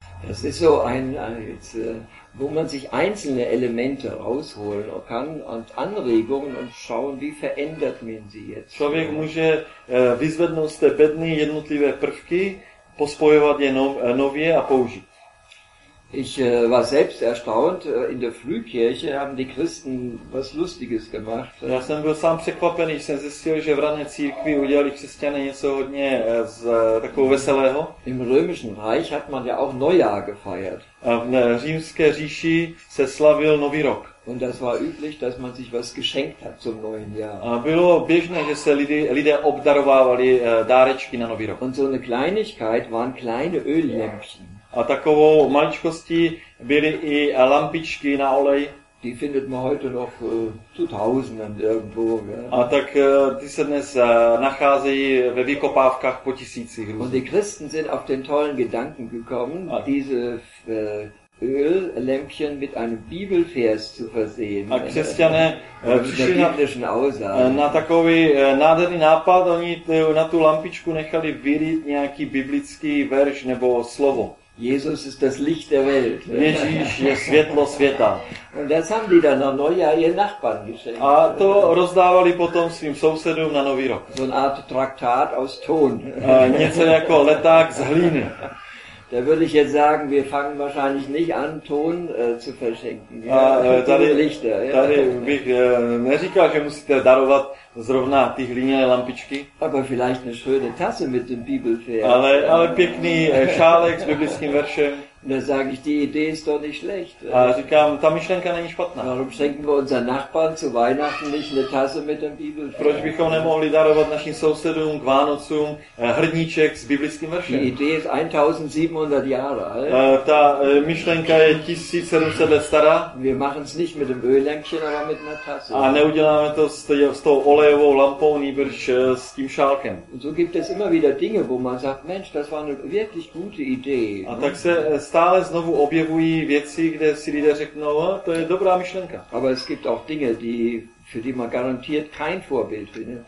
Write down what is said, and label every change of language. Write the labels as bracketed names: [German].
[German] Das ist so ein, wo man sich einzelne Elemente rausholen kann und Anregungen und schauen, wie verändert man sie jetzt. [Czech] Člověk může vyzvednout z té bedny jednotlivé prvky, pospojovat je nově a použít. [German] Ich war selbst erstaunt, in der Frühkirche haben die Christen was Lustiges gemacht. [Czech] Já jsem byl sám překvapen, když jsem zjistil, že v rané církvi udělali křesťané něco hodně z takového veselého. [German] Im römischen Reich hat man ja auch Neujahr gefeiert. [Czech] V římské říši se slavil nový rok. [German] Und das war üblich, dass man sich was geschenkt hat zum neuen Jahr. [Czech] A bylo běžné, že se lidé obdarovávali dárečky na nový rok. [German] Und so eine Kleinigkeit waren kleine Öllämpchen. [Czech] A takovou maličkostí byly i lampičky na olej. [German] Die findet man heute noch zu tausenden irgendwo. Ja. [Czech] A tak ty se dnes nacházejí ve vykopávkách po tisících různých. [German] Und die Christen sind auf den tollen Gedanken gekommen, diese Öllämpchen mit einem Bibelvers zu versehen. [Czech] A křesťané přišli na takový nádherný nápad, oni na tu lampičku nechali vylít nějaký biblický verš nebo slovo. [German] Jesus ist das Licht der Welt. [Czech] Ježíš je světlo světa. [German] Und das haben die dann am Neujahr ihren Nachbarn geschenkt. [Czech] A to rozdávali potom svým sousedům na nový rok. [German] So eine Art Traktat aus Ton. [Czech] Něco jako leták z hlíny. [German] Da würde ich jetzt sagen, wir fangen wahrscheinlich nicht an, Ton zu verschenken. Ja, tady, Lichter, ja. [Czech] Tady bych neříkal, že musíte darovat zrovna ty hliněné lampičky. [German] Aber vielleicht eine schöne Tasse mit dem Bibelvers. [Czech] Ale pěkný šálek s biblickým veršem. [German] Da sage ich, die Idee ist doch nicht schlecht. [Czech] A říkám, ta myšlenka není špatná. [German] Warum schenken wir unseren Nachbarn zu Weihnachten nicht eine Tasse mit dem Bibelvers? [Czech] Proč bychom nemohli darovat našim sousedům k Vánocům hrníček s biblickým veršem? [German] Die Idee ist 1700 Jahre alt. [Czech] Ta myšlenka je 1700 let stará. [German] Wir machen es nicht mit dem Öllämpchen, aber mit einer Tasse. [Czech] A neuděláme to s tou olejovou lampou, nýbrž s tím šálkem. [German] Und so gibt es immer wieder Dinge, wo man sagt, Mensch, das war eine wirklich gute Idee. [Czech] A tak se stále znovu objevují věci, kde si lidé řeknou, no, to je dobrá myšlenka. [German] Aber es gibt auch Dinge, die für die man garantiert kein Vorbild findet.